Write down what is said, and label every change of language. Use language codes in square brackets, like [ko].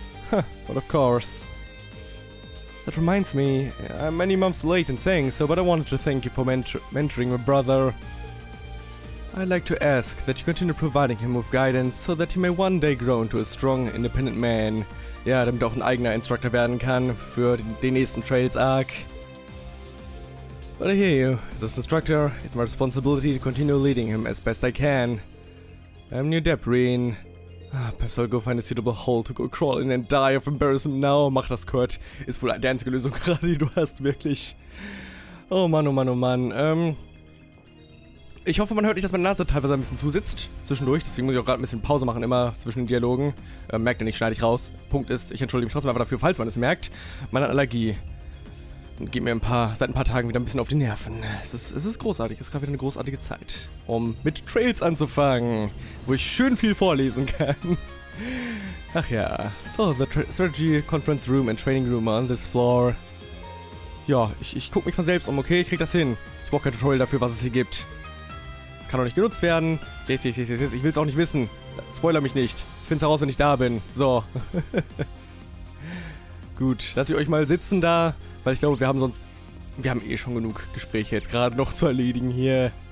[en] But of course. That reminds me, I'm many months late in saying so, but I wanted to thank you for mentoring my brother. I'd like to ask that you continue providing him with guidance so that he may one day grow into a strong, independent man. [de] Ja, damit auch ein eigener Instructor werden kann für den nächsten Trails Arc. [en] But I hear you. As an instructor, it's my responsibility to continue leading him as best I can. I'm new Debrin. Perhaps I'll go find a suitable hole to go crawl in and die of embarrassment now. [de] Mach das, Kurt. Ist wohl die einzige Lösung gerade, die du hast, wirklich. Oh Mann, oh Mann, oh Mann. Ich hoffe, man hört nicht, dass meine Nase teilweise ein bisschen zusitzt zwischendurch. Deswegen muss ich auch gerade ein bisschen Pause machen, immer zwischen den Dialogen. Merkt ihr nicht, schneide ich raus. Punkt ist, ich entschuldige mich trotzdem einfach dafür, falls man es merkt. Meine Allergie geht mir seit ein paar Tagen wieder ein bisschen auf die Nerven. Es ist großartig. Es ist gerade wieder eine großartige Zeit, um mit Trails anzufangen, wo ich schön viel vorlesen kann. Ach ja. [en] So, the Strategy Conference Room and Training Room on this floor. [de] Ja, ich gucke mich von selbst um, okay? Ich krieg das hin. Ich brauche kein Tutorial dafür, was es hier gibt. Kann auch nicht genutzt werden. Yes. Ich will es auch nicht wissen. Spoiler mich nicht. Ich finde es heraus, wenn ich da bin. So. Gut. Lass ich euch mal sitzen da, weil ich glaube, wir haben eh schon genug Gespräche jetzt gerade noch zu erledigen hier.